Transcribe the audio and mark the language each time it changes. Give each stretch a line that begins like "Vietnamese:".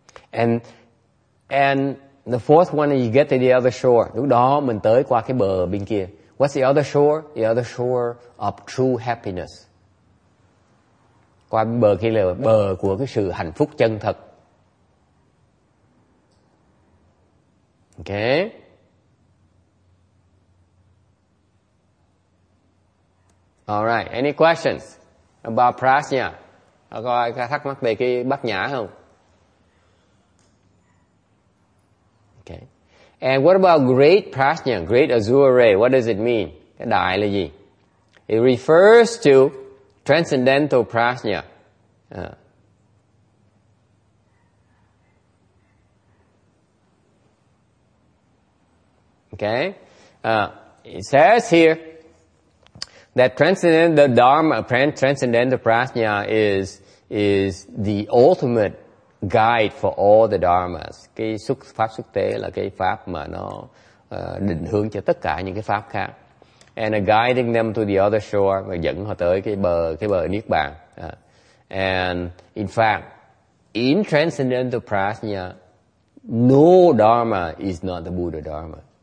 English: And the fourth one is you get to the other shore.
Vietnamese: Lúc đó mình tới qua cái bờ bên kia.
English: What's the other shore? The other shore of true happiness.
Vietnamese: Qua bờ kia là bờ của cái sự hạnh phúc chân thật.
English: Okay? All right, any questions about prajna?
Vietnamese: Có ai thắc mắc về cái bát nhã không?
English: Okay. And what about great prajna, great azure ray? What does it mean?
Vietnamese: Cái đại là gì?
English: It refers to transcendental prajna. Okay. It says here that transcendental dharma, transcendental prajna is the ultimate guide for all the dharmas.
Vietnamese: Cái xuất pháp xuất tế là cái pháp mà nó định hướng cho tất cả những cái pháp khác.
English: And guiding them to the other shore,
Vietnamese: và dẫn họ tới cái bờ Niết Bàn.
English: And in fact, in transcendental prajna, no dharma is not the Buddha dharma.